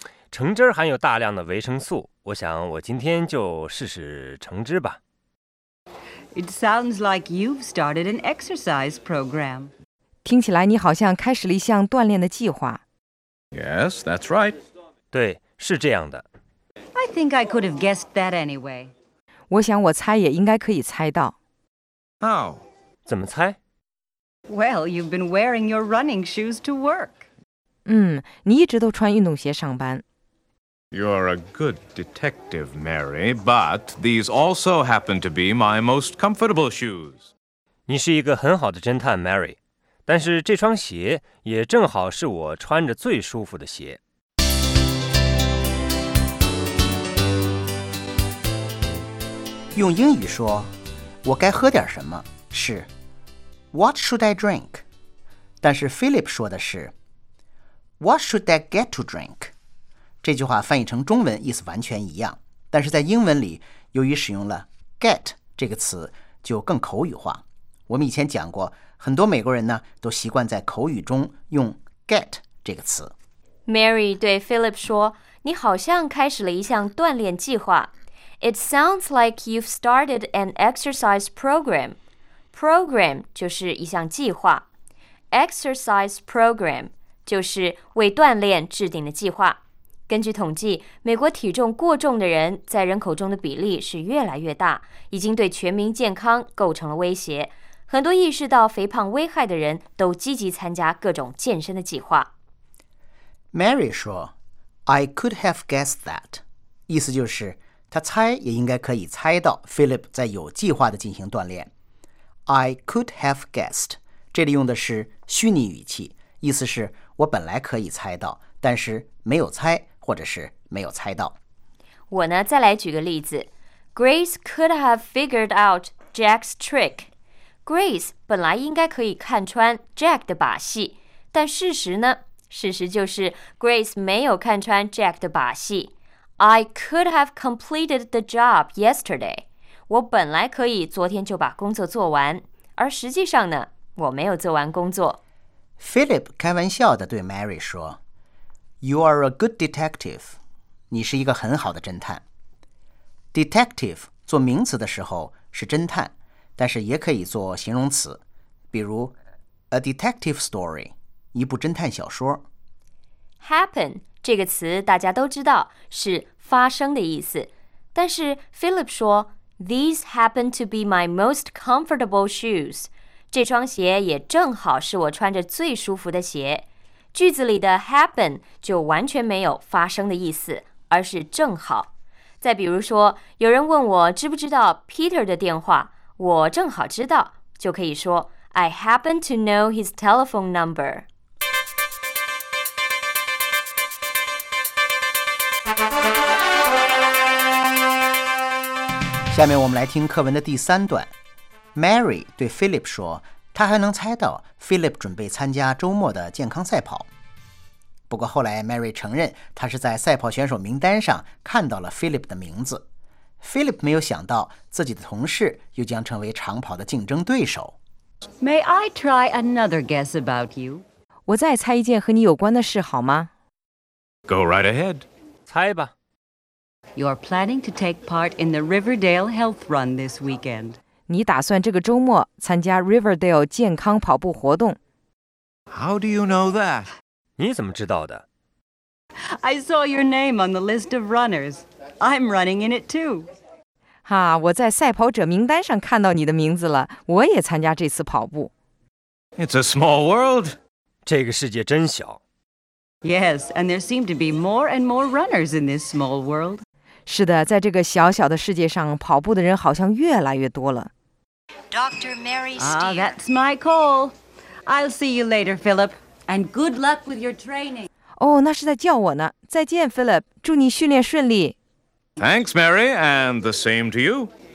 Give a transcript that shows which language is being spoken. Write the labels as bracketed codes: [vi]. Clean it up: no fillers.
[zh] 橙汁含有大量的维生素，我想我今天就试试橙汁吧。 [en] It sounds like you've started an exercise program. [zh] 听起来你好像开始了一项锻炼的计划。 [en] Yes, that's right. [zh] 对，是这样的。 [en] I think I could have guessed that anyway. [zh] 我想我猜也应该可以猜到。 [en] How? [zh] 怎么猜？ [en] Well, you've been wearing your running shoes to work. [zh] 你一直都穿运动鞋上班。 [en] You're a good detective, Mary, but these also happen to be my most comfortable shoes. [zh] 你是一个很好的侦探 Mary, 但是这双鞋也正好是我穿着最舒服的鞋。用英语说，我该喝点什么？ [en] 是 What should I drink? 但是 Philip 说的是 What should I get to drink? [zh] 这句话翻译成中文意思完全一样，但是在英文里由于使用了 get 这个词就更口语化。我们以前讲过，很多美国人呢都习惯在口语中用 get 这个词。 Mary 对 Philip 说，你好像开始了一项锻炼计划。 [en] It sounds like you've started an exercise program. [zh] Program 就是一项计划。Exercise program 就是为锻炼制定的计划。根据统计，美国体重过重的人在人口中的比例是越来越大，已经对全民健康构成了威胁。很多意识到肥胖危害的人都积极参加各种健身的计划。 [en] Mary 说 I could have guessed that. [zh] 意思就是他猜也应该可以猜到 Philip 在有计划地进行锻炼。 [en] I could have guessed. [zh] 这里用的是虚拟语气，意思是我本来可以猜到，但是没有猜或者是没有猜到。我呢，再来举个例子。 [en] Grace could have figured out Jack's trick. [zh] Grace 本来应该可以看穿 Jack 的把戏，但事实呢？事实就是 Grace 没有看穿 Jack 的把戏。 [en] I could have completed the job yesterday. [zh] 我本来可以昨天就把工作做完，而实际上呢，我没有做完工作。 [en] Philip 开玩笑地对 Mary 说 You are a good detective. [zh] 你是一个很好的侦探。 Detective 做名词的时候是侦探，但是也可以做形容词，比如 A detective story，一部侦探小说。 Happen这个词大家都知道是发生的意思，但是 Philip 说 These happen to be my most comfortable shoes. 这双鞋也正好是我穿着最舒服的鞋。句子里的 happen 就完全没有发生的意思，而是正好。再比如说，有人问我知不知道 Peter 的电话，我正好知道，就可以说 I happen to know his telephone number. 下面我们来听课文的第三段。Mary 对 Philip 说，他还能猜到 Philip 准备参加周末的健康赛跑。不过后来 Mary 承认，他是在赛跑选手名单上看到了 Philip 的名字。 Philip 没有想到自己的同事又将成为长跑的竞争对手。 [en] May I try another guess about you? [zh] 我再猜一件和你有关的事好吗？ [en] Go right ahead. [zh] 猜吧。 [en] You're planning to take part in the Riverdale Health Run this weekend. [zh] 你打算这个周末参加 Riverdale 健康跑步活动。 [en] How do you know that? [zh] 你怎么知道的？ [en] I saw your name on the list of runners. I'm running in it too. [zh] 哈，我在赛跑者名单上看到你的名字了，我也参加这次跑步。 [en] It's a small world. [zh] 这个世界真小。 [en] Yes, and there seem to be more and more runners in this small world. [zh] 是的，在这个小小的世界上，跑步的人好像越来越多了。 [en] Dr. Mary Steer. That's my call. I'll see you later, Philip. And good luck with your training. [zh] 那是在叫我呢。再见 ，Philip。祝你训练顺利。 [en] Thanks, Mary, and the same to you.